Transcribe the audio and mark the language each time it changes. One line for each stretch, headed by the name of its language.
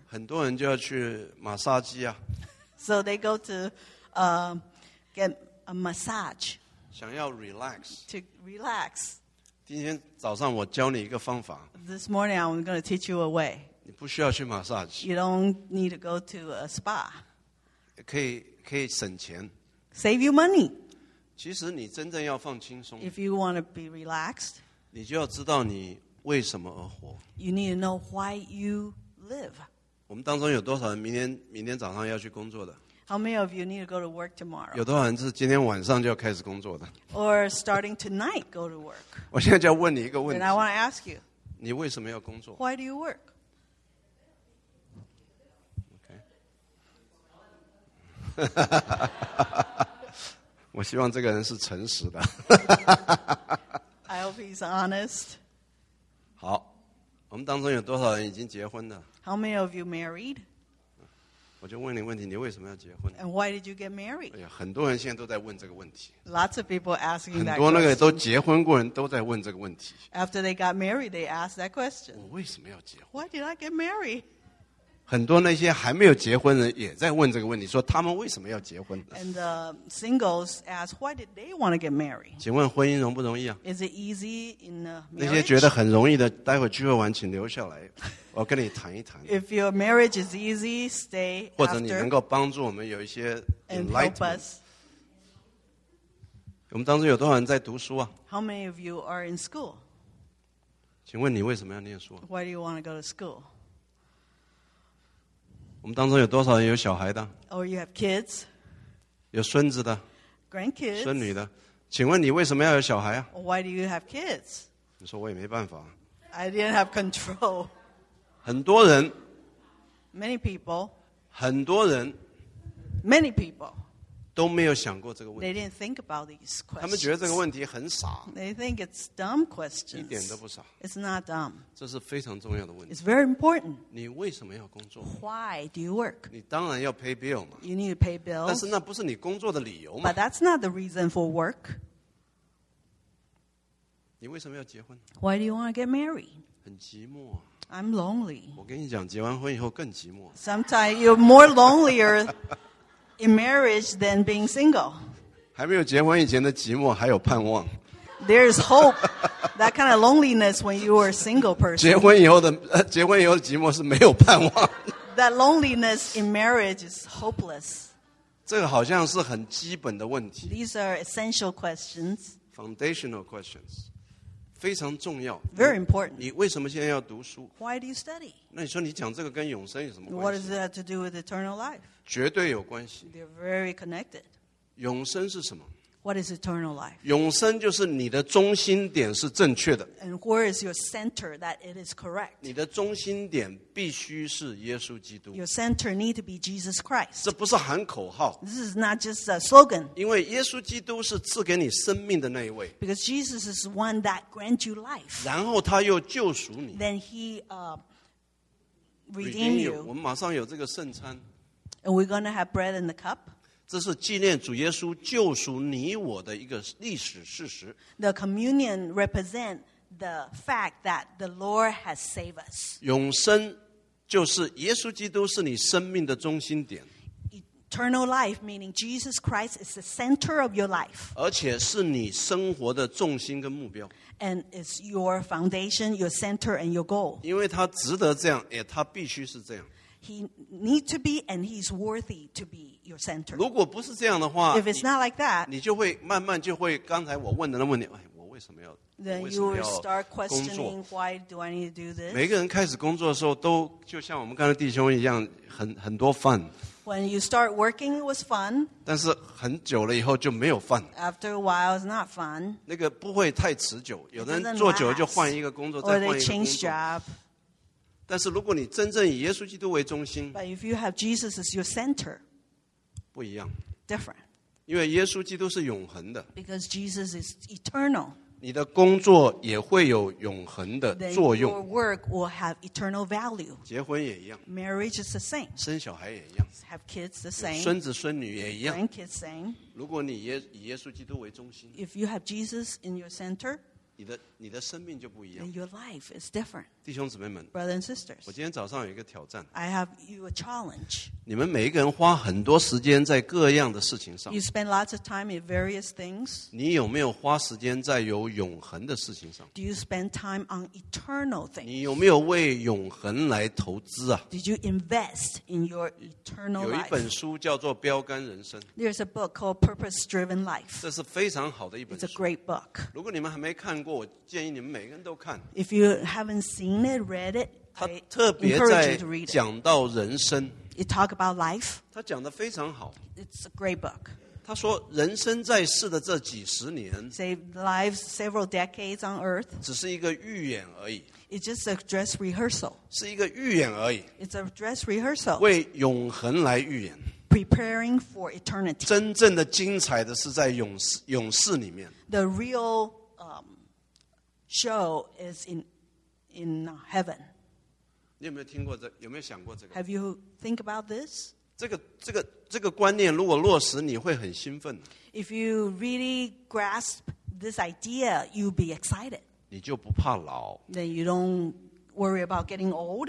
Chinese: 很多人就要去马杀鸡啊。
English: So they go to get a massage.
Chinese: 想要relax.
English: To relax.
Chinese: 今天早上我教你一个方法。
English: This morning I'm going to teach you a way.
Chinese: 你不需要去massage。
English: You don't need to go to a spa.
Chinese: 可以省钱。
English: Save you money.
Chinese: 其实你真正要放轻松。
English: If you want to be relaxed.
Chinese: 你就要知道你为什么而活。
English: You need to know why you live.
Chinese: 我们当中有多少人明天早上要去工作的？
English: How many of you need to go to work tomorrow?
Chinese: 有多少人是今天晚上就要开始工作的？
English: Or starting tonight go to work.
Chinese: 我现在就要问你一个问题。
English: And I want to ask you.
Chinese: 你为什么要工作？
English: Why do you work? Okay.
Chinese: 我希望这个人是诚实的。
English: I hope he's honest.
Chinese: 好，我们当中有多少人已经结婚的？
English: How many of you married?
Chinese: 我就问你问题, 你为什么要结婚?
English: And why did you get married?
Chinese: 哎呀, 很多人现在都在问这个问题。
English: Lots of people asking that
Chinese: 很多那个都结婚过人都在问这个问题。
English: After they got married, they asked that question.
Chinese: 我为什么要结婚?
English: Why did I get married?
Chinese: 很多那些还没有结婚人也在问这个问题, 说他们为什么要结婚?
English: And the singles asked, why did they want to get married?
Chinese: 请问婚姻容不容易啊?
English: Is it easy in the marriage?
Chinese: 那些觉得很容易的, 待会聚会完请留下来。我跟你谈一谈,
English: if your marriage is easy, stay after.
Chinese: 或者你能够帮助我们有一些
English: enlightenment.
Chinese: 我们当中有多少人在读书啊?
English: How many of you are in school?
Chinese: 请问你为什么要念书?
English: Why do you want to go to school?
Chinese: 我们当中有多少人有小孩的?
English: Or you have kids?
Chinese: 有孙子的?
English: Grandkids?
Chinese: 孙女的? 请问你为什么要有小孩啊?
English: Why do you have kids?
Chinese: 你说我也没办法。
English: I didn't have control.
Chinese: 很多人,
English: many people,
Chinese: 很多人,
English: many people,
Chinese: 都没有想过这个问题,
English: they didn't think about these questions.
Chinese: 他们觉得这个问题很傻,
English: they think it's dumb questions.
Chinese: 一点都不傻,
English: it's not dumb.
Chinese: 这是非常重要的问题,
English: it's very important.
Chinese: 你为什么要工作?
English: Why do you work?
Chinese: 你当然要
English: pay bill
Chinese: 嘛,
English: you need to pay bills.
Chinese: 但是那不是你工作的理由嘛,
English: but that's not the reason for work.
Chinese: 你为什么要结婚?
English: Why do you want to get married?
Chinese: 很寂寞啊。
English: I'm lonely.
Chinese: 我跟你讲,
English: sometimes you're more lonelier in marriage than being single.
Chinese: 还没有结婚以前的寂寞还有盼望。
English: There's hope. That kind of loneliness when you are a single person.
Chinese: 结婚以后的寂寞是没有盼望。
English: That loneliness in marriage is hopeless.
Chinese: 这个好像是很基本的问题。
English: These are essential questions. Foundational questions.
Chinese: 非常重要,
English: very important.
Chinese: 你为什么现在要读书?
English: Why do you study?
Chinese: 那你说你讲这个跟永生有什么关系?
English: What does it have to do with eternal life?
Chinese: 绝对有关系。
English: They're very connected.
Chinese: 永生是什么?
English: What is eternal life?
Chinese: 永生就是你的中心点是正确的。
English: And where is your center that it is correct?
Chinese: 你的中心点必须是耶稣基督。
English: Your center need to be Jesus Christ.
Chinese: 这不是喊口号。
English: This is not just a slogan.
Chinese: 因为耶稣基督是赐给你生命的那一位。
English: Because Jesus is one that grants you life.
Chinese: 然后他又救赎你。
English: Then he redeemed you.
Chinese: 我们马上有这个圣餐。
English: And we're going to have bread in the cup.
Chinese: 这是纪念主耶稣救赎你我的一个历史事实。
English: The communion represents the fact that the Lord has saved us.
Chinese: 永生就是耶稣基督是你生命的中心点。
English: Eternal life, meaning Jesus Christ is the center of your life.
Chinese: 而且是你生活的重心跟目标。
English: And it's your foundation, your center, and your goal.
Chinese: 因为他值得这样, 也他必须是这样。
English: He needs to be, and he's worthy to be your center.
Chinese: 如果不是这样的话,
English: if it's not like that,
Chinese: 你就会慢慢就会, 刚才我问的那问题, 哎, 我为什么要,
English: then you will start questioning, why do I need to do this?
Chinese: 每个人开始工作的时候, 都就像我们刚才弟兄一样, 很多 fun。
English: When you start working, it was fun.
Chinese: 但是很久了以后就没有fun.
English: After a while, it's not fun.
Chinese: 那个不会太持久, 有的人做久了就换一个工作, 再换一个工作。
English: Or they change job.
Chinese: 但是如果你真正以耶稣基督为中心,
English: but if you have Jesus as your center,
Chinese: 不一样。
English: Different.
Chinese: 因为耶稣基督是永恒的。
English: Because Jesus is eternal.
Chinese: 你的工作也会有永恒的作用。
English: Then your work will have eternal value.
Chinese: 结婚也一样。
English: Marriage is the same.
Chinese: 生小孩也一样。
English: Have kids the same.
Chinese: 孙子孙女也一样。
English: Grandkids same.
Chinese: 如果你以耶稣基督为中心。
English: If you have Jesus in your center,
Chinese: 你的生命就不一样。
English: Then your life is different.
Chinese: 弟兄姊妹们。
English: Brothers and sisters.
Chinese: 我今天早上有一个挑战。
English: I have you a challenge.
Chinese: 你们每一个人花很多时间在各样的事情上。
English: You spend lots of time in various things.
Chinese: 你有没有花时间在有永恒的事情上?
English: Do you spend time on eternal things?
Chinese: 你有没有为永恒来投资啊?
English: Did you invest in your eternal life?
Chinese: 有一本书叫做《标杆人生》。
English: There's a book called Purpose Driven Life.
Chinese: 这是非常好的一本书。
English: It's a great book.
Chinese: 如果你们还没看, 建议你们每个人都看,
English: if you haven't seen it, read it,
Chinese: 他特别在讲到人生,
English: it talk about life,
Chinese: 他讲得非常好,
English: it's a great book.
Chinese: 他说人生在世的这几十年,
English: say lives several decades on earth,
Chinese: 只是一个预演而已,
English: it's just a dress rehearsal,
Chinese: 是一个预演而已,
English: it's a dress rehearsal,
Chinese: 为永恒来预演,
English: preparing for eternity.
Chinese: 真正的精彩的是在永世里面,
English: the real show is in heaven.
Chinese: 你有没有听过这个,
English: have you think about this?
Chinese: 这个观念如果落实你会很兴奋。
English: If you really grasp this idea, you'll be excited.
Chinese: 你就不怕老。
English: Then you don't worry about getting old.